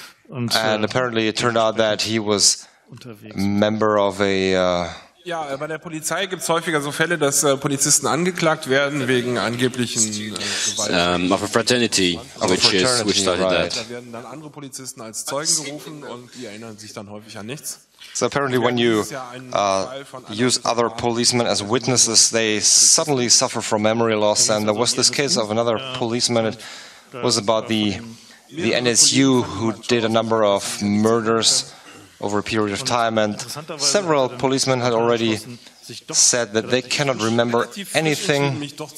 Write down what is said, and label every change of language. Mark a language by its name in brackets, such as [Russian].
[English] And apparently it turned out that he was a member of a... [German] Ja, bei der Polizei gibt es häufiger so Fälle, dass Polizisten angeklagt werden wegen angeblichen Gewalt. [English] Of a fraternity, which started that. [German] Da werden dann andere Polizisten als Zeugen gerufen und die erinnern sich dann häufig an nichts. [English] So apparently when you use other policemen as witnesses, they suddenly suffer from memory loss. And there was this case of another policeman. It was about the NSU who did a number of murders over a period of time, and several policemen had already said that they cannot remember anything.